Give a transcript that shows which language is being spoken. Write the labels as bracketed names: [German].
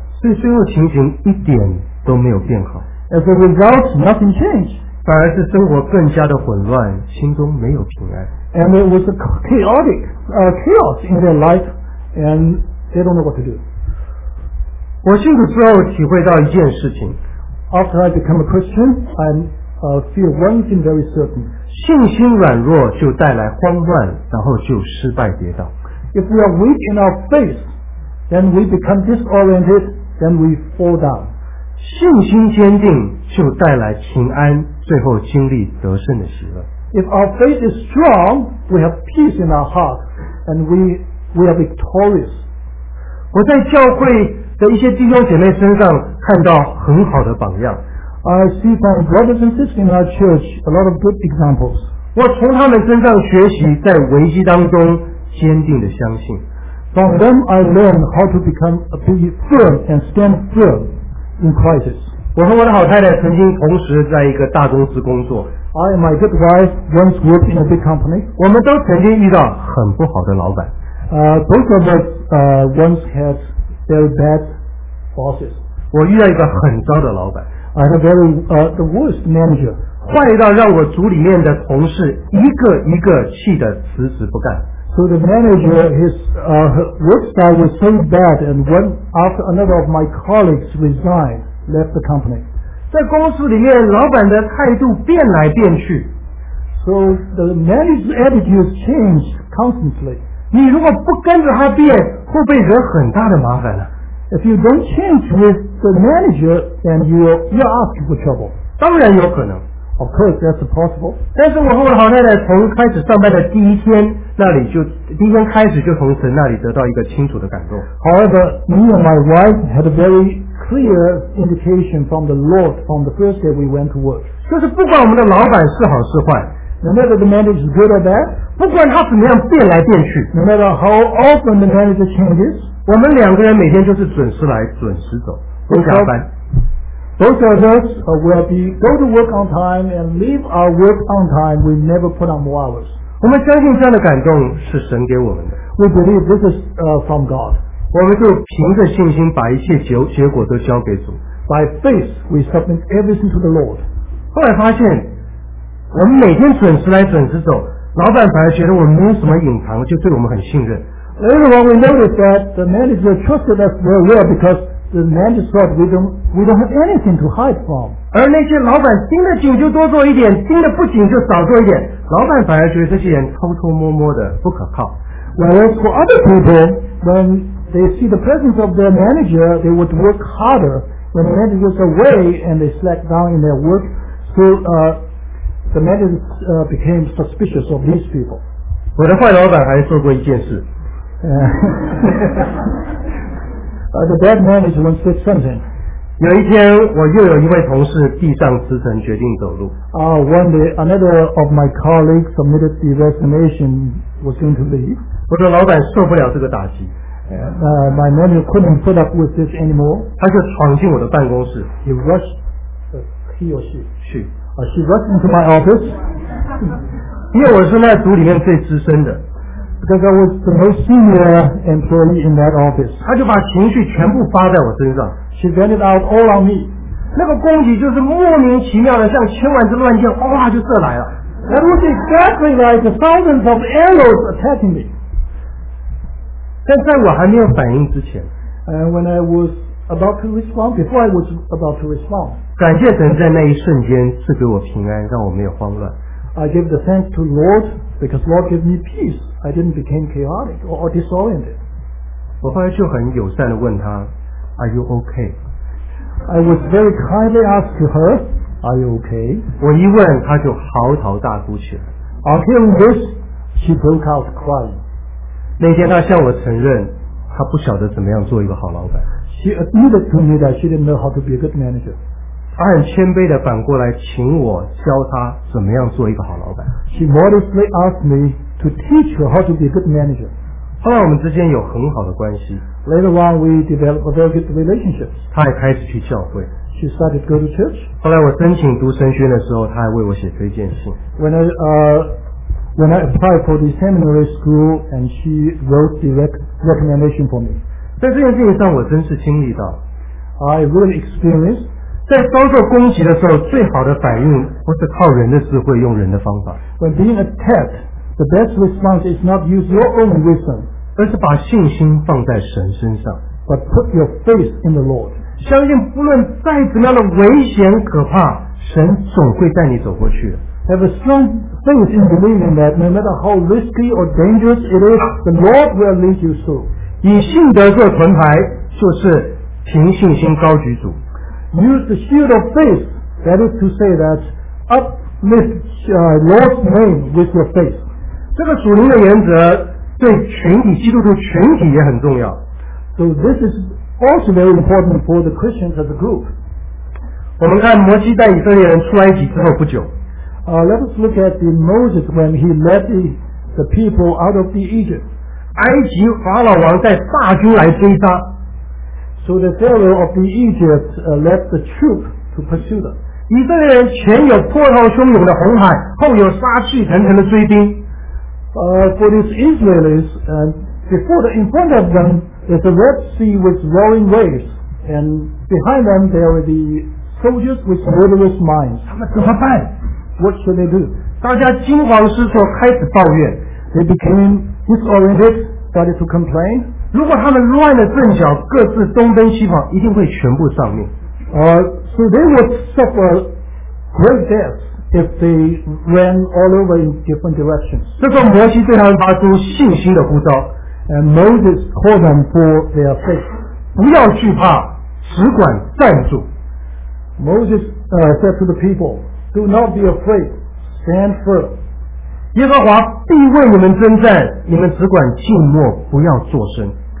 [Chinese] 所以最后情形一点都没有变好 [English] as a result nothing changed [Chinese] 反而是生活更加的混乱心中没有平安 [English] and it was a chaotic chaos in their life and they don't know what to do [Chinese] 我信主之后体会到一件事情 [English] After I become a Christian, I feel one thing very certain. [Chinese] 信心软弱就带来慌乱，然后就失败跌倒。 [English] If we are weak in our faith, then we become disoriented, then we fall down. [Chinese] 信心坚定就带来平安，最后经历得胜的喜乐。 [English] If our faith is strong, we have peace in our heart, and we are victorious. [Chinese] 我在教会的一些弟兄姐妹身上看到很好的榜样。 [English] I see from brothers and sisters in our church a lot of good examples. [Chinese] 我从他们身上学习在危机当中坚定的相信。 [English] From them I learn how to become a firm and stand firm in crisis. [Chinese] 我和我的好太太曾经同时在一个大公司工作。 [English] I and my good wife once worked in a big company. [Chinese] 我们都曾经遇到很不好的老板。 [English] Both of us once had very bad bosses. [Chinese] 我遇到一个很糟的老板。 [English] I had the worst manager. [Chinese] 坏到让我组里面的同事一个一个气得辞职不干。 [English] So the manager, his work style was so bad, and one after another of my colleagues resigned, left the company. [Chinese] 在公司里面，老板的态度变来变去。 [English] So the manager's attitude changed constantly. [Chinese] 你如果不跟着他变，会被惹很大的麻烦了。 [English] If you don't change with the manager, then you're asking for trouble. [Chinese] 当然有可能。 [English] Of course, that's possible. [Chinese] 但是我和我的好太太从开始上班的第一天，那里就第一天开始就从神那里得到一个清楚的感动。 [English] However, me and my wife had a very clear indication from the Lord from the first day we went to work. [Chinese] 就是不管我们的老板是好是坏。 [English] No matter the manager is good or bad. [Chinese] 不管他怎么样变来变去。 [English] No matter how often the manager changes. [Chinese] 我们两个人每天就是准时来准时走不加班。 [English] Both of us will be go to work on time and leave our work on time. We never put on more hours. [Chinese] 我们相信这样的感动是神给我们的。 [English] We believe this is from God. [Chinese] 我们就凭着信心把一切结果都交给主。 [English] By faith, we submit everything to the Lord. [Chinese] 后来发现我们每天准时来准时走，老板反而觉得我们没有什么隐藏，就对我们很信任。 [English] Later on, we noticed that the manager trusted us very well because the manager thought we don't have anything to hide from. [Chinese] 而那些老板盯得紧就多做一点，盯得不紧就少做一点。老板反而觉得这些人偷偷摸摸的不可靠。 [English] Whereas for other people, when they see the presence of their manager, they would work harder. When the manager is away and they slack down in their work, so the manager became suspicious of these people. [Chinese] 我的坏老板还做过一件事。 [English] the bad manager once said something. [Chinese] 有一天，我又有一位同事地上辞呈，决定走路。 [English] One day, another of my colleagues submitted the resignation, was going to leave. [Chinese] 我的老板受不了这个打击。 [English] My manager couldn't put up with this anymore. [Chinese] 他就闯进我的办公室。 [English] He rushed, he or she. [Chinese] 去。 [English] She rushed into my office. [Chinese] 因为我是那组里面最资深的。 [English] Because I was the most senior employee in that office. [Chinese] 他就把情绪全部发在我身上。 [English] She vented out all on me. [Chinese] 那个攻击就是莫名其妙的，像千万只乱箭，哗就射来了。 [English] That was exactly like thousands of arrows attacking me. [Chinese] 但在我还没有反应之前 [English] ，And when I was about to respond, before I was about to respond. [Chinese] 感谢神在那一瞬间赐给我平安，让我没有慌乱。 [English] I give the thanks to Lord because Lord gave me peace. I didn't become chaotic or disoriented. [Chinese] 我后来就很友善地问他 ， [English] Are you okay? I was very kindly asked to her, Are you okay? [Chinese] 我一问，他就嚎啕大哭起来。 [English] On hearing this, she broke out crying. [Chinese] 那天他向我承认，他不晓得怎么样做一个好老板。 [English] She admitted to me that she didn't know how to be a good manager. [Chinese] 他很谦卑地反过来请我教他怎么样做一个好老板。 [English] She modestly asked me to teach her how to be a good manager. [Chinese] 后来我们之间有很好的关系。 [English] Later on, we developed a very good relationship. [Chinese] 他也开始去教会。 [English] She started to go to church. [Chinese] 后来我申请读神学的时候，他还为我写推荐信。 [English] When I applied for the seminary school, and she wrote the recommendation for me. [Chinese] 在这件事情上，我真是经历到。 [English] I really experienced. [Chinese] 在遭受攻击的时候，最好的反应不是靠人的智慧，用人的方法。 [English] When being attacked, the best response is not use your own wisdom, [Chinese] 而是把信心放在神身上。 [English] But put your faith in the Lord. [Chinese] 相信不论再怎么样的危险可怕，神总会带你走过去的。 [English] have a strong faith in believing that no matter how risky or dangerous it is, the Lord will lead you through. [Chinese] 以信德做盾牌，就是凭信心高举主。 [English] Use the shield of faith, that is to say that uplift Lord's name with your faith. [Chinese] 这个属灵的原则对群体基督徒群体也很重要。 [English] So this is also very important for the Christians as a group. [Chinese] 我们看摩西带以色列人出埃及之后不久。 [English] Let us look at the Moses when he led the people out of the Egypt. [Chinese] 埃及法老王带大军来追杀。 [English] So the Pharaoh of the Egypt led the troop to pursue them. [Chinese] 以色列人前有波涛汹涌的红海，后有杀气腾腾的追兵。 [English] For these Israelis, in front of them is the Red Sea with roaring waves, and behind them there are the soldiers with murderous minds. [Chinese] 他们怎么办？ [English] What should they do? [Chinese] 大家惊慌失措，开始抱怨。 [English] They became disoriented, started to complain. [Chinese] 如果他们乱了阵脚，各自东奔西跑，一定会全部丧命。 [English] So they would suffer great deaths if they ran all over in different directions. [Chinese] 这时候摩西对他们发出信心的呼召。 [English] And Moses called them for their faith. [Chinese] 不要惧怕，只管站住。 [English] Moses said to the people. Do not be afraid. Stand firm. [Chinese] 耶和华必为你们征战，你们只管静默，不要作声。